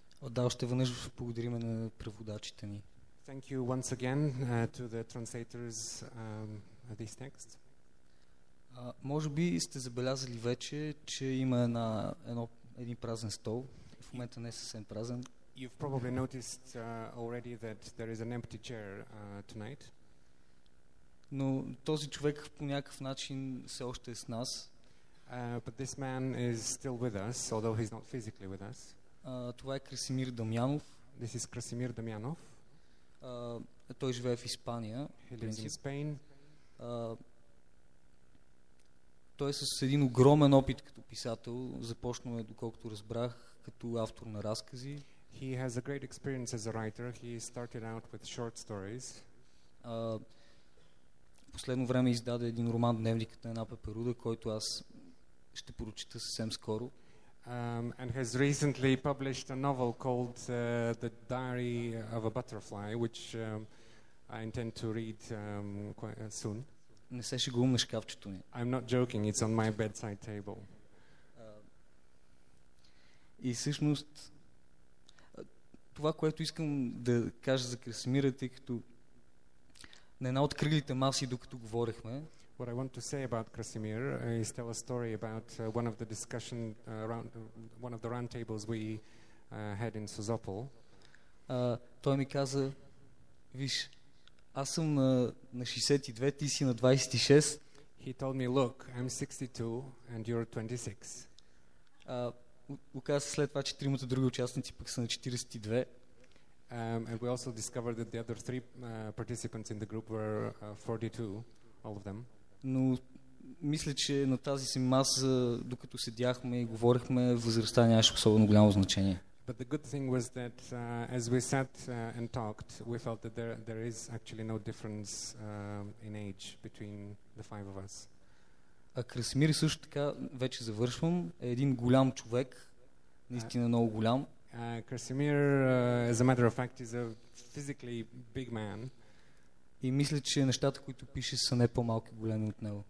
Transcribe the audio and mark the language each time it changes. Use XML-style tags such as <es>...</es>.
<bg>Да, още веднъж благодарим на преводачите ни.</bg> <en>Thank you once again to the translators this text.</en> <bg>Може би сте забелязали вече, че има един празен стол. В момента не е съвсем празен.</bg> <en>You've probably noticed already that there is an empty chair tonight.</en> <bg>Но този човек по някакъв начин все още е с нас.</bg> <en>But this man is still with us, although he's not physically with us.</en> <bg>Това е Красимир Дамянов.</bg> <en>This is Красимир Дамянов.</en> <bg>Той живее в Испания.</bg> <en>He lives in Spain.</en> <bg>Той е с един огромен опит като писател. Започнал е, доколкото разбрах, като автор на разкази.</bg> <en>He has a great experience as a writer. He started out with short stories.</en> <bg>Последно време издаде един роман Дневникът на една пеперуда, който аз ще поручите съвсем скоро.</bg> <en>And has recently published a novel called The Diary of a Butterfly, which I intend to read quite soon.</en> <bg>не се шегувам на шкафчето ми.</bg> <en>I'm not joking, it's on my bedside table.</en> <bg>И всъщност това, което искам да кажа за Красимира, тъй като на една от кръглите маси, докато говорихме,</bg> <en>what I want to say about Krasimir is tell a story about one of the discussion around one of the round tables we had in Созопол.</en> <bg>Той ми каза: "Виж, аз съм на 62, ти си на 26."</bg> <en>He told me, "Look, I'm 62 and you're 26."</en> <bg>Оказа се след това, че тримата други участници пък са на 42.</bg> <en>And we also discovered that the other three participants in the group were 42, all of them.</en> <bg>Но мисля, че на тази си маса, докато седяхме и говорихме, възрастта нямаше особено голямо значение.</bg> <en>But the good thing was that as we sat and talked, we felt that there is actually no difference in age between the five of us.</en> <bg>А Красимир също така, вече завършвам, е един голям човек, наистина много голям.</bg> <en>Красимир, as a matter of fact, is a physically big man.</en> <bg>И мисля, че нещата, които пише, са не по-малки големи от него.</bg>